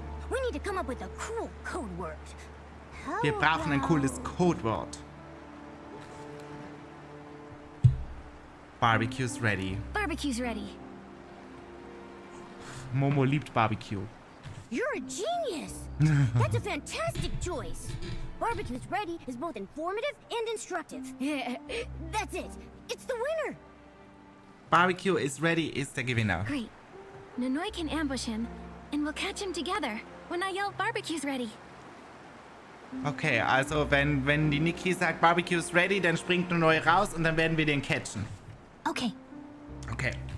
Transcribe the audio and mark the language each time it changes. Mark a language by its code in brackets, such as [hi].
[en] We need to come up with a cool code word. [de] Wir brauchen ein cooles Codewort. [en] Barbecue's ready. Barbecue's ready. [de] Momo liebt Barbecue. [en] You're a genius. That's a fantastic choice. Barbecue's ready is both informative and instructive. Yeah, that's it. It's the winner. Barbecue is ready is [de] der Gewinner. [en] Great. Nanoi can ambush him, and we'll catch him together when I yell barbecue's ready. [de] Okay, also wenn die Nikki sagt [en] barbecue's ready, [de] dann springt Nanoi raus und dann werden wir den catchen. [en] Okay. Okay.